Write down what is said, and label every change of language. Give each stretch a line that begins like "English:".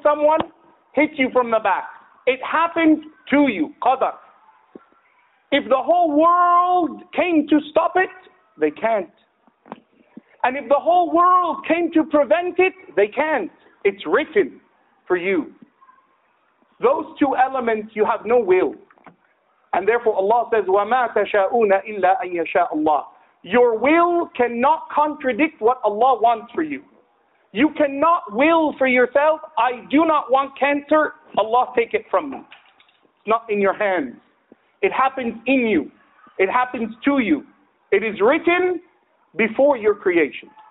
English: Someone hits you from the back. It happened to you. Qadr. If the whole world came to stop it, they can't. And if the whole world came to prevent it, they can't. It's written for you. Those two elements, you have no will. And therefore Allah says,
Arabic: وَمَا تَشَاءُونَ إِلَّا أَن يَشَاءَ اللَّهُ.
English: Your will cannot contradict what Allah wants for you. You cannot will for yourself, I do not want cancer, Allah take it from me. It's not in your hands. It happens in you. It happens to you. It is written before your creation.